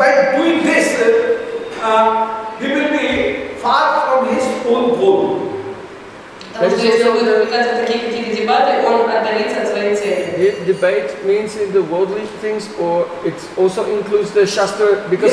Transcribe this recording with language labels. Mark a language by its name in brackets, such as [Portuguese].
[English] Because by doing this, he will be far from his own goal. [Russian] Потому что если он будет вовлекаться в такие какие-то дебаты, он отдалится от своей цели. [English] Debate means in the worldly things, or it also includes the shastra, because